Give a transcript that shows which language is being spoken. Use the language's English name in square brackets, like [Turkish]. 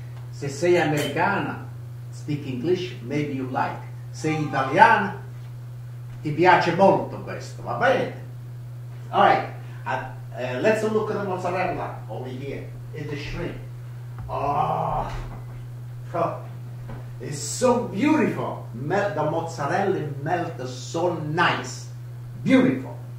[Italian] Se sei americana, [English] speak English, maybe you like. [Italian] Sei italiana, ti piace molto questo, va bene? [English] All right, let's look at the mozzarella over here. It's a shrimp. Oh, it's so beautiful. The mozzarella melts so nice. Beautiful.